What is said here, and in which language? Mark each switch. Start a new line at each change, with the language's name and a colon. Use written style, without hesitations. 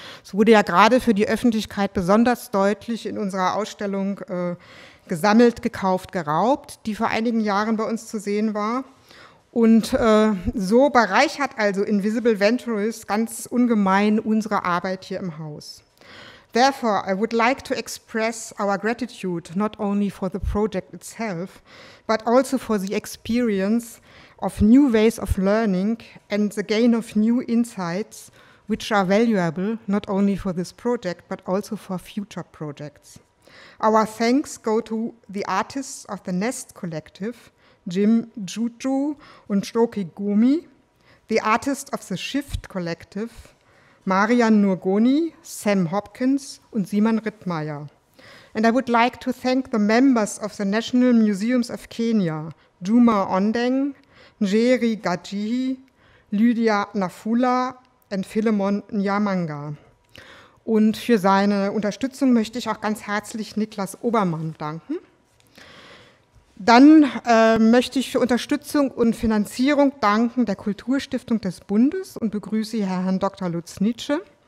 German: Es wurde ja gerade für die Öffentlichkeit besonders deutlich in unserer Ausstellung gesammelt, gekauft, geraubt, die vor einigen Jahren bei uns zu sehen war. Und so bereichert also Invisible Ventures ganz ungemein unsere Arbeit hier im Haus.
English: Therefore, I would like to express our gratitude not only for the project itself, but also for the experience of new ways of learning and the gain of new insights, which are valuable not only for this project, but also for future projects. Our thanks go to the artists of the Nest Collective, Jim Juju and Shoki Gumi, the artists of the Shift Collective, Marian Nurgoni, Sam Hopkins und Simon Rittmeier. And I would like to thank the members of the National Museums of Kenya, Juma Ondeng, Njeri Gajihi, Lydia Nafula und Philemon Nyamanga.
German: Und für seine Unterstützung möchte ich auch ganz herzlich Niklas Obermann danken. Dann möchte ich für Unterstützung und Finanzierung danken der Kulturstiftung des Bundes und begrüße hier Herrn Dr. Lutz Nitsche.